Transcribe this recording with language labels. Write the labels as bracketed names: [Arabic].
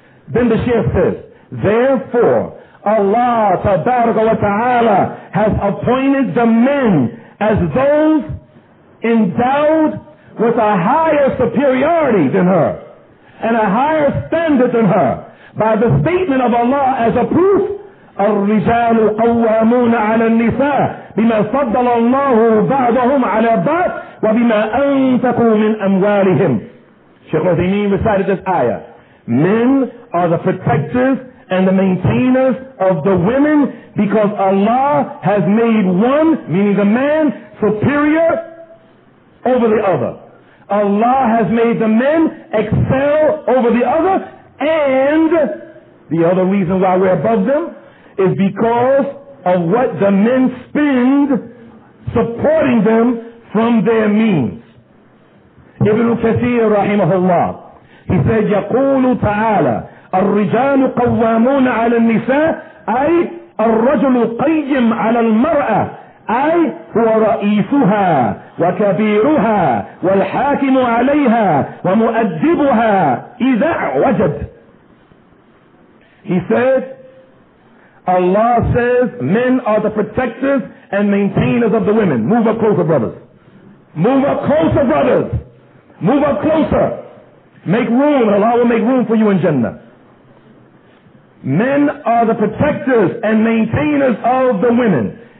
[English] Then the Sheikh says, therefore, Allah tabaraka wa ta'ala has appointed the men as those endowed with a higher superiority than her and a higher standard than her by the statement of Allah as a proof. [Arabic] الرجال قوامون على النساء بما فضل الله بعضهم على بعض وبما أنفقوا من أموالهم. [English] Sheikh Uthaymeen recited this ayah. Men are the protectors and the maintainers of the women because Allah has made one, meaning the man, superior over the other. Allah has made the men excel over the other, and the other reason why we're above them is because of what the men spend supporting them from their means. [Arabic] Ibn Kathir rahimahullah, [English] he said, [Arabic] يقول تعالى الرجال قوامون على النساء أي الرجل قيم على المرأة أي هو رئيسها وكبيرها والحاكم عليها ومؤدبها إذا وجد. [English] He said, Allah says, men are the protectors and maintainers of the women. Move up closer, brothers. Move up closer, brothers. Move up closer. Make room, and Allah will make room for you in Jannah. Men are the protectors and maintainers of the women.